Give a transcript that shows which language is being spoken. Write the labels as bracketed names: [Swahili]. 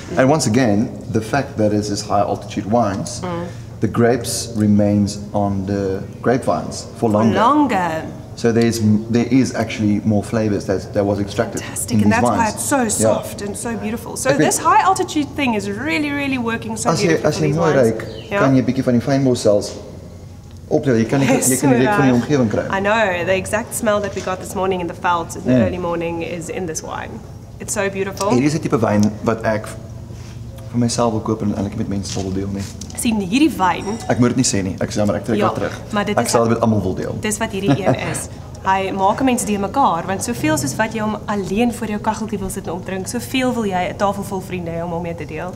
[English] And once again, the fact that it is high altitude wines, the grapes remains on the grapevines for longer. So there is actually more flavors that was extracted. Fantastic, and that's why it's so soft and so beautiful. So this high altitude thing is really, really working so beautifully for these wines. [Afrikaans] Kan jy 'n bietjie van die fynbos selfs opdra? Jy kan dit reg van die omgewing kry. [English] I know, the exact smell that we got this morning in the velds in the early morning is in this wine. It's so beautiful. [Afrikaans] Hier is 'n tipe wyn wat ek vir myself wil koop en eintlik met mense wil deel nie. Sien hierdie wyn. Ek moet dit nie sê nie. Ek sê maar ek trek dit terug. Ek sal dit met almal wil deel. Dis wat hierdie een is. Hy maak mense die mekaar, want soveel soos wat jy hom alleen voor jou kaggeltjie wil sit en opdrink, soveel wil jy 'n tafel vol vriende om hom mee te deel.